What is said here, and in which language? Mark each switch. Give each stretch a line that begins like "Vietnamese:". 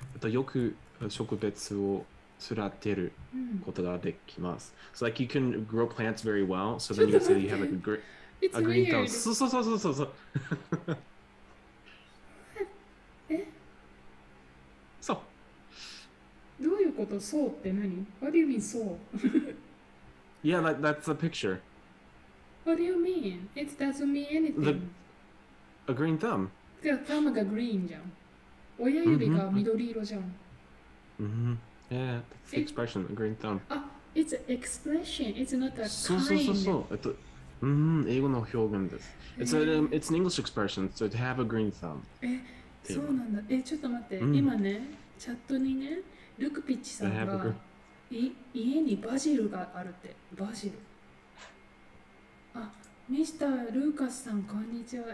Japanese: よく植物を育てることができます。うん、
English: so like you can grow plants very well. So then you say you have a green thumb.
Japanese: そう。そう。どういうこと？そうって何？
English: What do you mean
Japanese: そう？
English: Yeah, that's a picture. What do you mean? It doesn't mean anything. A green thumb. The thumb
Japanese: がグリーンじゃん。親指が緑色じゃん。
English: Yeah, that's the expression, a green thumb. It's an expression, it's not a kind.
Japanese: そう。英語の表現です。
English: It's an English expression, so to have a green thumb.
Japanese: そうなんだ。ちょっと待って。今ね、チャットにね、ルクピッチさんが家にバジルがあるって。バジル。あ、ミスター・ルーカスさん、こんにちは。